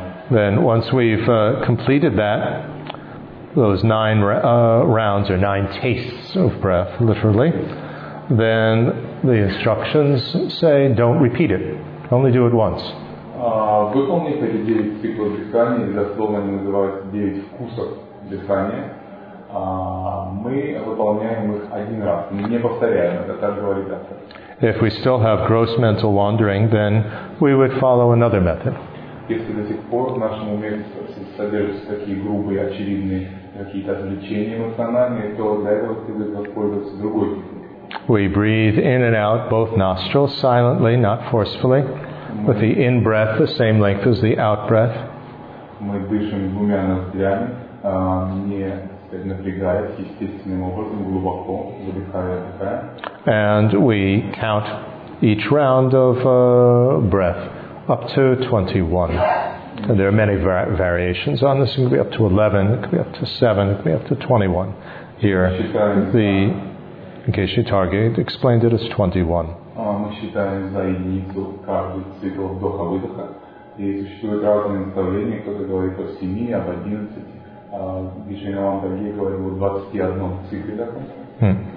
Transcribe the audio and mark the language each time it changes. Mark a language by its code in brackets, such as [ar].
[en] Then, once we've completed that, those nine rounds or nine tastes of breath, literally, then the instructions say don't repeat it, only do it once. [ru] выполнить эти 9 циклов дыхания, или дословно они называются 9 вкусов дыхания, мы выполняем их один раз, не повторяем, это так говорит автор. [en] If we still have gross mental wandering, then we would follow another method. [ru] Если до сих пор в нашем уме содержатся такие грубые, очевидные какие-то отвлечения эмоциональные, то для этого следует воспользоваться другой методом. [en] We breathe in and out both nostrils silently, not forcefully, with the in-breath the same length as the out-breath. [ru] Мы дышим двумя ноздрями, не напрягаясь естественным образом, глубоко, выдыхая, выдыхая. [en] And we count each round of breath up to 21. And there are many variations on this. It could be up to 11, it could be up to 7, it could be up to 21. Here, the Geshe Targi explained it as 21. [ru] Мы считаем за единицу каждый цикл вдоха-выдоха. И существуют разные наставления, кто-то говорит о 7, об 11. Geshe Targi говорит о 21 цикле дыхания.